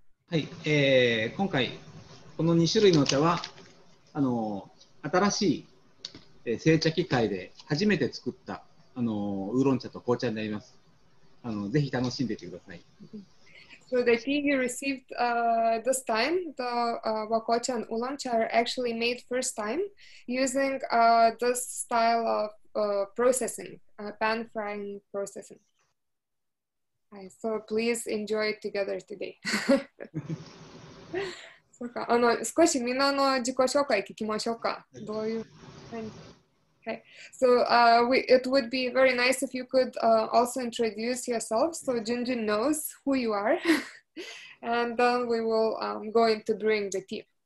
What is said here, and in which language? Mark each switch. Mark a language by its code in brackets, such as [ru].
[ja] はい、今回この2種類の茶は新しい、製茶機械で初めて作ったウーロン茶と紅茶になります。ぜひ楽しんでいてください。 [en] So the tea you received this time, the wakocha and oolongcha, are actually made first time using this style of processing, pan frying processing. So please enjoy it together today. [ja] そうか、少しみんなの自己紹介聞きましょうか。どういう感じ。 [en] Okay. So it would be very nice if you could also introduce yourself so Junjun knows who you are. And then we will go into brewing the tea.